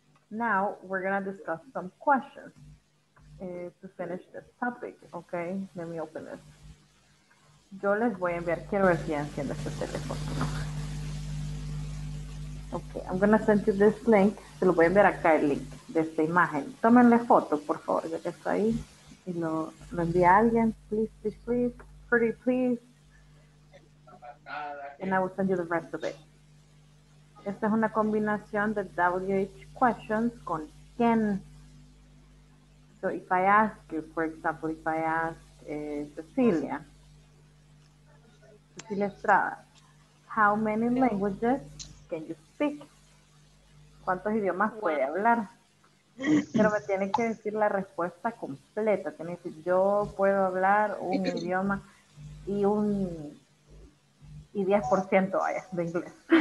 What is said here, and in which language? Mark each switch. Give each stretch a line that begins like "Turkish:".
English: Now we're gonna discuss some questions to finish this topic. Okay, let me open this.
Spanish: Yo les voy a enviar, quiero ver si enciende este teléfono.
English: Okay, I'm going to send you this link.
Spanish: Se lo voy a enviar acá el link de esta imagen. Tómenle foto, por favor, ya que está ahí. Y lo envía a alguien.
English: Please. Pretty, please. And I will send you the rest of it.
Spanish: Esta es una combinación de WH questions con quién.
English: So if I ask you, for example, if I ask Cecilia. Cecilia Estrada. How many languages can you speak?
Spanish: ¿Cuántos idiomas puede hablar? Pero me tiene que decir la respuesta completa. Tiene que decir, yo puedo hablar un idioma y 10% vaya de inglés.